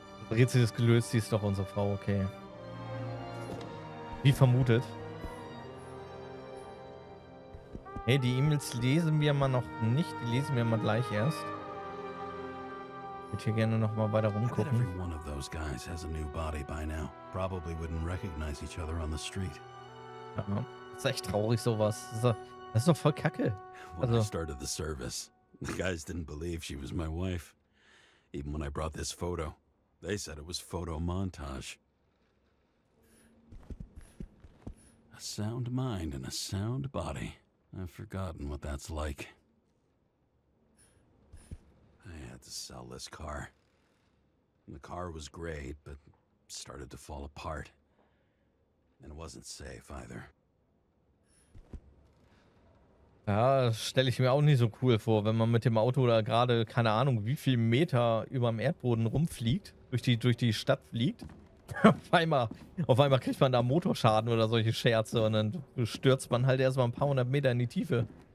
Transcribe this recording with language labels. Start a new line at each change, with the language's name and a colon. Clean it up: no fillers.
German: Rätsel ist gelöst, sie ist doch unsere Frau, okay. Wie vermutet. Hey, die E-Mails lesen wir mal noch nicht, die lesen wir mal gleich erst. Ich würde hier gerne noch mal weiter rumgucken.
English: Every one of those guys has a new body by now. Probably wouldn't recognize each other on the street.
German: Das ist echt traurig, sowas. Das ist doch voll kacke.
English: Also, when I started the service, the guys didn't believe she was my wife. Even when I brought this photo. They said it was photo montage. A sound mind and a sound body. I've forgotten what that's like. I had to sell this car. The car was great, but started to fall apart. And it wasn't safe either.
German: Ja, das stelle ich mir auch nicht so cool vor, wenn man mit dem Auto da gerade, keine Ahnung, wie viel Meter über dem Erdboden rumfliegt. Durch die Stadt fliegt. Auf einmal kriegt man da Motorschaden oder solche Scherze und dann stürzt man halt erstmal ein paar hundert Meter in die Tiefe.